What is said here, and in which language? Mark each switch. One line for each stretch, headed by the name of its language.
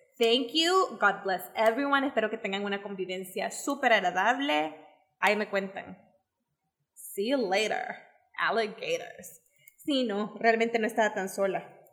English: Thank you, God bless everyone.
Spanish: Espero que tengan una convivencia súper agradable. Ahí me cuentan.
English: See you later, alligators.
Spanish: Sí, no, realmente no estaba tan sola.